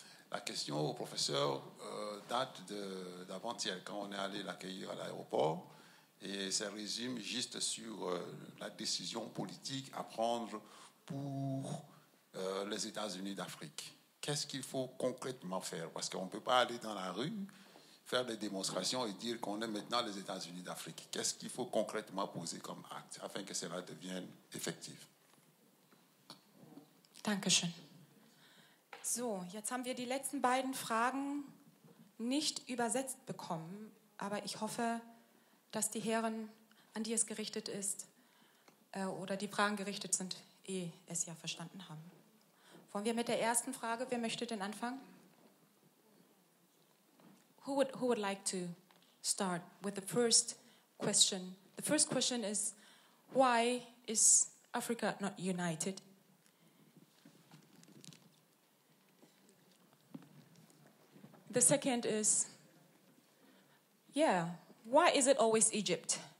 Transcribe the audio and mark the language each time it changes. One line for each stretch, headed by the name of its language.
French: La question au professeur date d'avant-hier, quand on est allé l'accueillir à l'aéroport, et ça résume juste sur la décision politique à prendre pour les États-Unis d'Afrique. Qu'est-ce qu'il faut concrètement faire? Parce qu'on ne peut pas aller dans la rue, faire des démonstrations et dire qu'on est maintenant les États-Unis d'Afrique. Qu'est-ce qu'il faut concrètement poser comme acte afin que cela devienne effectif?
German: Dankeschön. So, jetzt haben wir die letzten beiden Fragen nicht übersetzt bekommen, aber ich hoffe, dass die Herren, an die es gerichtet ist, oder die Fragen gerichtet sind, es ja verstanden haben. Wollen wir mit der ersten Frage, wer möchte denn anfangen?
English: Who would like to start with the first question? The first question is, why is Africa not united? The second is, why is it always Egypt?